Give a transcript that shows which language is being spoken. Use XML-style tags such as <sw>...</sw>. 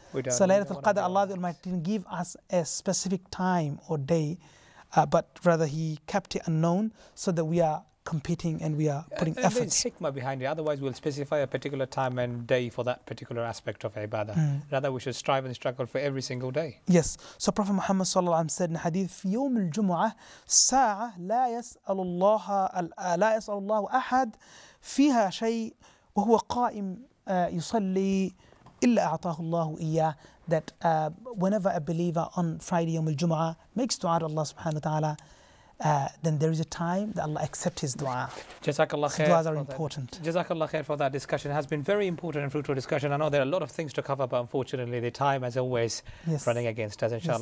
<en>So Laylatul Qadr, Allah the Almighty didn't give us a specific time or day, but rather He kept it unknown so that we are competing and we are putting efforts. There's hikmah behind it. Otherwise, we'll specify a particular time and day for that particular aspect of ibadah. Mm. Rather, we should strive and struggle for every single day. Yes. So Prophet Muhammad sallallahu alaihi wasallam said in hadith,</en> <ar>"في يوم الجمعة ساعة لا يسأل الله لا يسأل الله أحد فيها شيء وهو قائم يصلي إلا أعطاه الله إياه."</ar> <en>That whenever a believer on Friday,</en> <ar>يوم الجمعة,</ar> <en>makes dua to Allah subhanahu wa ta'ala, then there is a time that Allah accepts his dua. Jazakallah khair. Duas are important. Jazakallah khair for that discussion. It has been very important and fruitful discussion. I know there are a lot of things to cover, but unfortunately the time, as always, yes, running against us, inshallah.</en>